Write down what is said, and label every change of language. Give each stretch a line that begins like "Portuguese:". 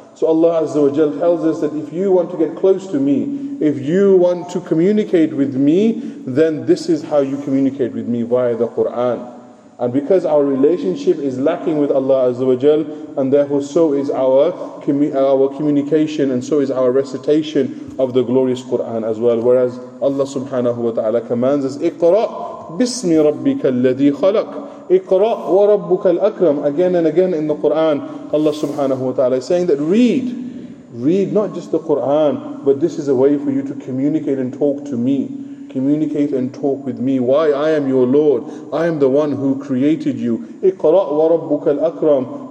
English: So Allah Azza wa Jal tells us that if you want to get close to me, if you want to communicate with me, then this is how you communicate with me, via the Qur'an. And because our relationship is lacking with Allah Azza wa Jal, and therefore so is our communication and so is our recitation of the glorious Qur'an as well. Whereas Allah subhanahu wa ta'ala commands us,
Arabic: اِقْرَأْ بِسْمِ رَبِّكَ الَّذِي خَلَقْ اِقْرَأْ وَرَبُّكَ الْأَكْرَمُ.
English: Again and again in the Qur'an, Allah subhanahu wa ta'ala is saying that read not just the Qur'an, but this is a way for you to communicate and talk to me. Communicate and talk with me. Why? I am your Lord. I am the one who created you.
Arabic: اِقْرَأْ وَرَبُّكَ الْأَكْرَمُ.